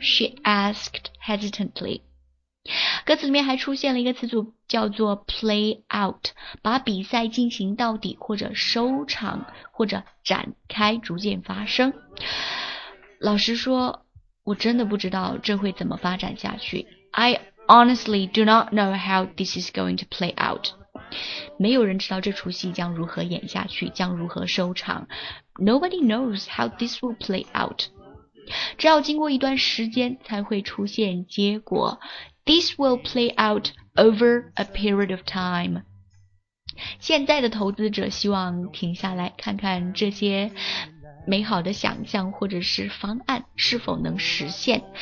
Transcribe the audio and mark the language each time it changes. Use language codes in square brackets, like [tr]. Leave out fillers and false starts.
[en] She asked hesitantly. [zh] 歌词里面还出现了一个词组叫做 play out, 把比赛进行到底或者收场或者展开逐渐发生。老实说，我真的不知道这会怎么发展下去。 [en] I honestly do not know how this is going to play out. [zh] 没有人知道这出戏将如何演下去，将如何收场。 [en] Nobody knows how this will play out. [zh] 这要经过一段时间才会出现结果。 [en] This will play out over a period of time. [zh] 现在的投资者希望停下来看看这些美好的想象或者是方案是否能实现。